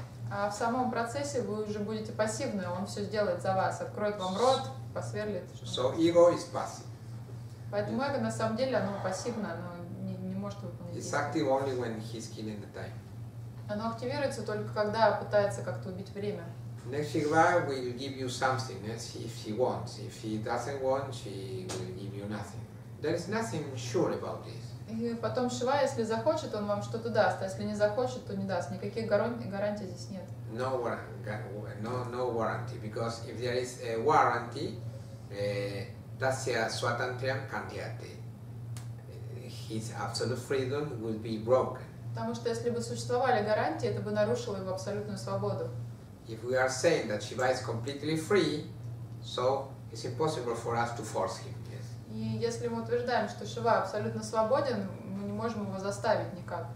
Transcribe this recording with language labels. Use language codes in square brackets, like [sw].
[ru] А в самом процессе вы уже будете пассивны, он все сделает за вас, откроет вам рот, посверлит. [en] So ego is passive. [ru] Поэтому эго на самом деле оно пассивно, оно не может выполнить. [en] It's active only when he's killing the time. [ru] Оно активируется только когда пытается как-то убить время. [en] Next Shiva will give you something, yes, if he wants. If he doesn't want, she will give you nothing. There is nothing sure about this. [ru] И потом Шива, если захочет, он вам что-то даст, а если не захочет, то не даст. Никаких гарантий здесь нет. [en] No warranty. No warranty. Because if there is a warranty, [sa] tasya swatantriam kandyate. [en] His absolute freedom will be broken. [ru] Потому что если бы существовали гарантии, это бы нарушило его абсолютную свободу. [en] If we are saying that Shiva is completely free, so it's impossible for us to force him. Yes. [ru] И если мы утверждаем, что Шива абсолютно свободен, мы не можем его заставить никак.